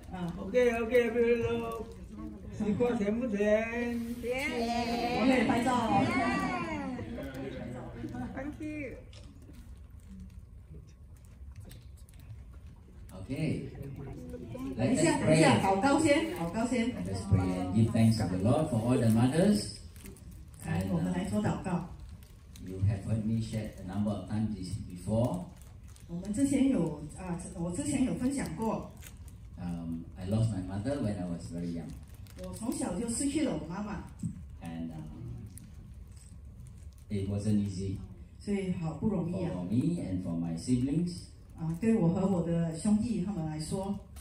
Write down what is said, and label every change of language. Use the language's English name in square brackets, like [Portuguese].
[Chinese] 啊 ，OK，OK，Hello。西瓜甜不甜？甜。我可以拍照。 [English] Yeah. Yeah. Thank you. OK。 [Chinese] 等一下，等一下，祷告先，祷告先。 [English] Let us pray and give thanks to the Lord for all the mothers. [Chinese] 来，我们来说祷告。 [English] You have heard me share a number of times before. [Chinese] 我们之前有啊，我之前有分享过。 [English] I lost my mother when I was very young. [Chinese] 我从小就失去了我妈妈。 [English] And it wasn't easy. [Chinese] 所以好不容易啊。 [English] For me and for my siblings. [Chinese] 啊，对我和我的兄弟他们来说。